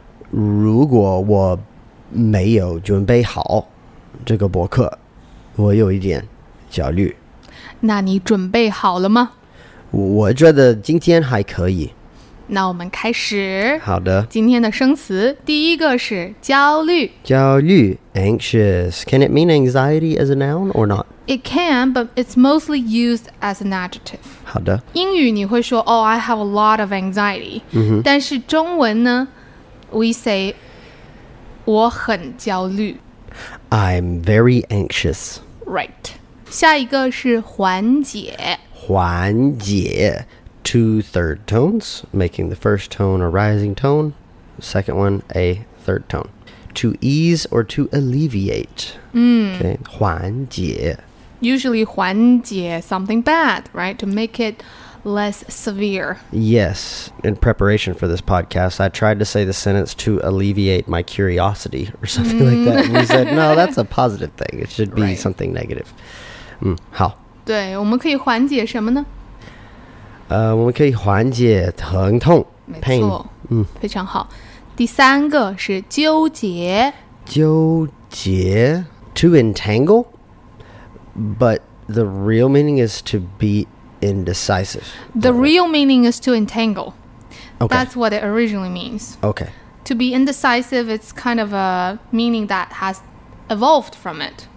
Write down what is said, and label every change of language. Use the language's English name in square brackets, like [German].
[Chinese] 如果我没有准备好这个博客，我有一点焦虑。那你准备好了吗？我觉得今天还可以。那我们开始。好的。今天的生词第一个是焦虑。焦虑 ,anxious. [English] Can it mean anxiety as a noun or not? It can, but it's mostly used as an adjective. [Chinese] 好的。英语你会说 [English] oh, I have a lot of anxiety.、 Mm-hmm. [Chinese] 但是中文呢 [English] we say, [Chinese] 我很焦虑。 [English] I'm very anxious. [Chinese] Right. 下一个是缓解。 [English] 缓解。Two third tones, making the first tone a rising tone, second one a third tone. To ease or to alleviate. Okay, 缓解. Usually 缓解 something bad, right? To make it less severe. Yes, in preparation for this podcast, I tried to say the sentence to alleviate my curiosity or something like that. And you said, no, that's a positive thing. It should be、right. something negative. 好. [Chinese] 对,我们可以缓解什么呢? 我们可以缓解疼痛 pain, 没错、非常好第三个是纠结 [English] 纠结 To entangle But the real meaning is to be indecisive The real meaning is to entangle、 okay. That's what it originally means Okay. To be indecisive It's kind of a meaning that has evolved from it